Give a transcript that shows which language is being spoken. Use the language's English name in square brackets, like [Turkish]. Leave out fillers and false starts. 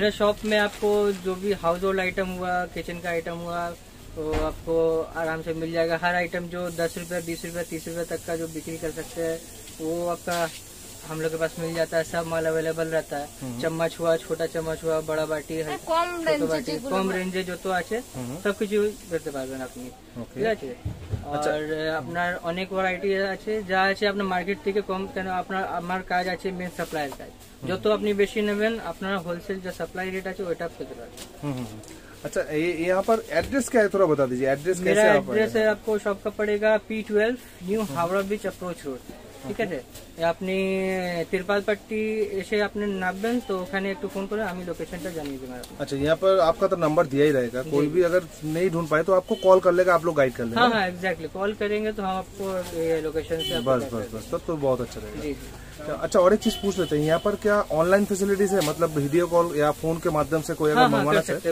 [Hindi] मेरे शॉप में आपको जो भी हाउस होल्ड आइटम हुआ, किचन का आइटम हुआ, तो आपको आराम से मिल जाएगा। हर आइटम जो 10 रुपए 20 रुपए 30 रुपए तक का जो बिक्री कर सकते हैं वो आपका हम लोग के पास मिल जाता है। सब माल अवेलेबल रहता है। चम्मच हुआ, छोटा चम्मच हुआ, बड़ा बाटी, छोटा बाटी, [Bangla] कम रेंज जो तो आचे सब कुछ करते पारबेन आपनी। [Hindi] और अपना अनेक वैरायटी [Bangla] আছে যা আছে আপনার মার্কেট থেকে কম কেন আপনার আমার কাজ আছে মেন সাপ্লাই এর কাজ। যত আপনি বেশি নেবেন আপনার হোলসেল যে সাপ্লাই রেট আছে ওটা পেতে পারবেন। আচ্ছা, [Hindi] यहां पर एड्रेस क्या है थोड़ा बता दीजिए। एड्रेस कैसे आप एड्रेस है आपको शॉप का पड़ेगा P12 new Howrah bridge approach road. ठीक है, [Bangla] আপনি তিরপালপট্টি এসে আপনি নামবেন তো ওখানে একটু ফোন করে আমি লোকেশনটা জানিয়ে দিব। আচ্ছা, [Hindi] यहां पर आपका तो नंबर दिया ही रहेगा, कोई भी अगर नहीं ढूंढ पाए तो आपको कॉल कर लेगा, आप लोग गाइड कर लेंगे। हां हां, एग्जैक्टली, कॉल करेंगे तो हम आपको लोकेशन से बस तब तो बहुत अच्छा रहेगा। अच्छा, और एक चीज पूछ लेते हैं, यहाँ पर क्या ऑनलाइन फैसिलिटीज है, मतलब वीडियो कॉल या फोन के माध्यम से कोई अगर मंगवाना चाहे?